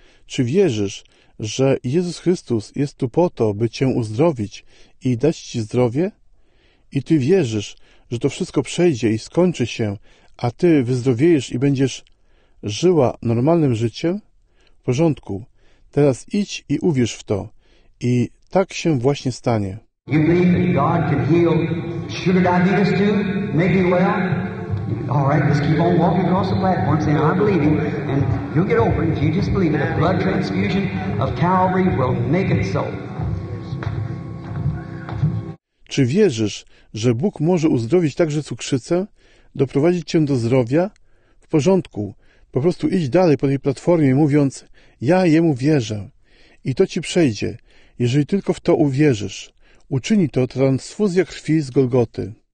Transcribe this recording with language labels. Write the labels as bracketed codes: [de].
[pl] Czy wierzysz, że Jezus Chrystus jest tu po to, by cię uzdrowić i dać ci zdrowie? I ty wierzysz, że to wszystko przejdzie i skończy się, a ty wyzdrowiejesz i będziesz żyła normalnym życiem? W porządku. Teraz idź i uwierz w to. I tak się właśnie stanie. [en] You believe that God can heal sugar diabetes too? Make me well? All right, just keep on walking across the platform saying, I'm believing, and you'll get over it if you just believe it. A blood transfusion of Calvary will make it so. [pl] Czy wierzysz, że Bóg może uzdrowić także cukrzycę? Doprowadzić cię do zdrowia? W porządku. Po prostu idź dalej po tej platformie, mówiąc, ja jemu wierzę. I to ci przejdzie. Jeżeli tylko w to uwierzysz, uczyni to transfuzja krwi z Golgoty.